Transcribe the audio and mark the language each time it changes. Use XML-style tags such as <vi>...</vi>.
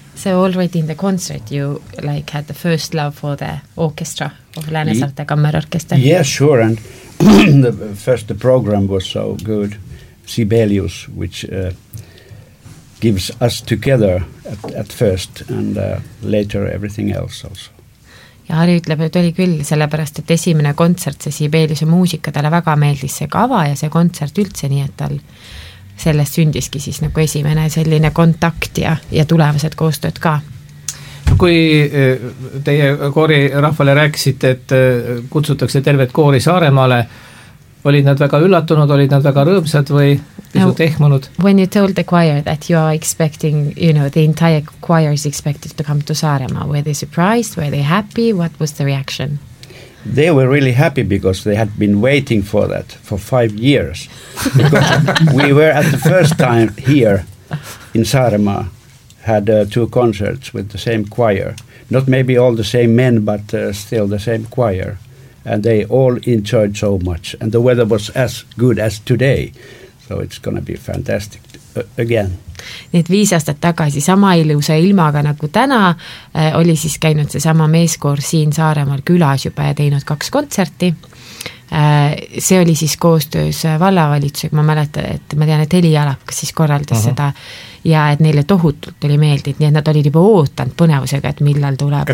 <en>So already in the concert you like had the first love for the orchestra of Läänesaarte Kammerorkester. Yeah, sure, and the first the program was so good, Sibelius, which gives us together at first and later everything else also.</en> <et>Ja Ari ütleb, et oli küll sellepärast, et esimene kontsert, see Sibeliuse muusika, tale väga meeldis see kava ja see kontsert üldse nii, et tal sellest sündiski siis nagu esimene selline kontakt ja tulevased koostööd ka. Kui teie koori rahvale rääksite, et kutsutakse tervet koori Saaremaale, olid nad väga üllatunud, olid nad väga rõõmsad või pisut ehmunud?</et> <en>When you told the choir that you are expecting, you know, the entire choir is expected to come to Saaremaa, were they surprised, were they happy, what was the reaction? They were really happy because they had been waiting for that for 5 years. Because we were at the first time here in Saaremaa, had two concerts with the same choir. Not maybe all the same men, but still the same choir. And they all enjoyed so much. And the weather was as good as today. So it's going to be fantastic again.</en> <et>Need viis aastat tagasi sama ilusa ilmaga nagu täna oli siis käinud see sama meeskoor siin Saaremaal külas juba ja teinud kaks kontserti. See oli siis koostöös vallavalitsusega, ma mäletan, et ma tean, et Heli Jalakas siis korraldas seda ja et neile tohutult oli meeldid, nii et nad olid juba ootanud põnevusega, et millal tuleb.</et>